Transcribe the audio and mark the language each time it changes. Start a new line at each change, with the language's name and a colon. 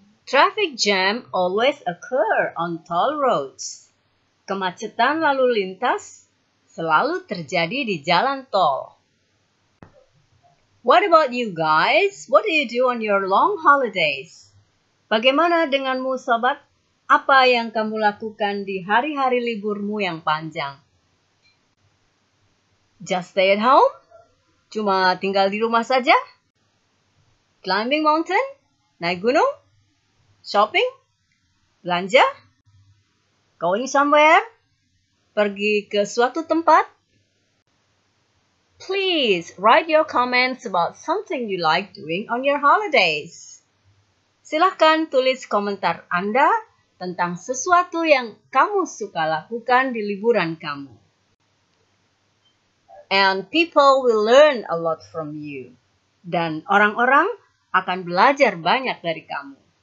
English: Traffic jam always occur on toll roads.
Indonesian: Kemacetan lalu lintas selalu terjadi di jalan tol.
English: What about you guys? What do you do on your long holidays?
Indonesian: Bagaimana denganmu, sobat? Apa yang kamu lakukan di hari-hari liburmu yang panjang?
English: Just stay at home?
Indonesian: Cuma tinggal di rumah saja?
English: Climbing mountain?
Indonesian: Naik gunung?
English: Shopping?
Indonesian: Belanja?
English: Going somewhere?
Indonesian: Pergi ke suatu tempat?
English: Please write your comments about something you like doing on your holidays.
Indonesian: Silakan tulis komentar Anda tentang sesuatu yang kamu suka lakukan di liburan kamu.
English: And people will learn a lot from you.
Indonesian: Dan orang-orang akan belajar banyak dari kamu.